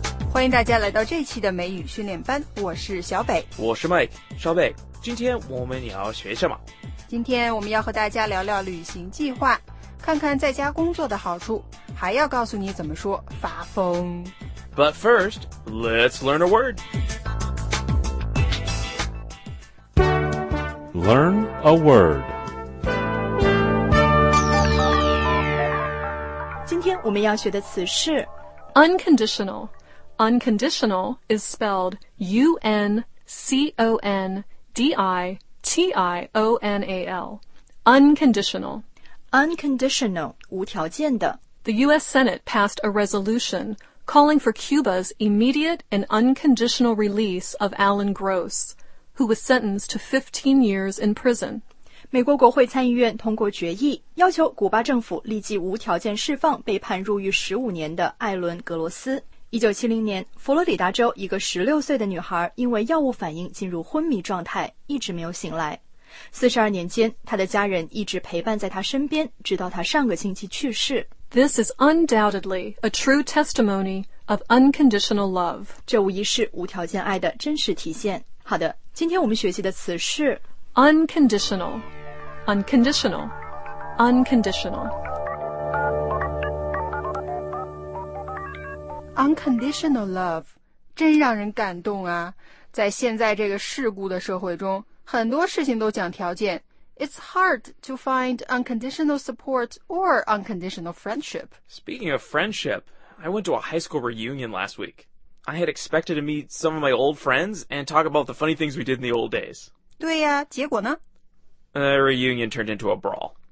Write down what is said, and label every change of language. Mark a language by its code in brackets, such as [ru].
[zh] 欢迎大家来到这期的美语训练班，我是小北，我是 Mike。小北，今天我们要学什么？今天我们要和大家聊聊旅行计划，看看在家工作的好处，还要告诉你怎么说发疯。 [en] But first, let's learn a word. Learn a word. [zh] 今天我们要学的词是 [en] unconditional. Unconditional is spelled UNCONDITIONAL. Unconditional. [zh] Unconditional, 无条件的。 [en] The U.S. Senate passed a resolution calling for Cuba's immediate and unconditional release of Alan Gross, who was sentenced to 15 years in prison. [zh] 美国国会参议院通过决议，要求古巴政府立即无条件释放被判入狱15年的艾伦·格罗斯。 1970年，佛罗里达州一个16岁的女孩因为药物反应进入昏迷状态，一直没有醒来。 42年间，他的家人一直陪伴在他身边，直到他上个星期去世。 [en] This is undoubtedly a true testimony of unconditional love. [zh] 这无疑是无条件爱的真实体现。好的，今天我们学习的词是 [en] unconditional, unconditional, unconditional. Unconditional love, [zh] 真让人感动啊！在现在这个世故的社会中，很多事情都讲条件。 [en] It's hard to find unconditional support or unconditional friendship. Speaking of friendship, I went to a high school reunion last week. I had expected to meet some of my old friends and talk about the funny things we did in the old days. [zh] 对呀、啊，结果呢？ [en] A reunion turned into a brawl.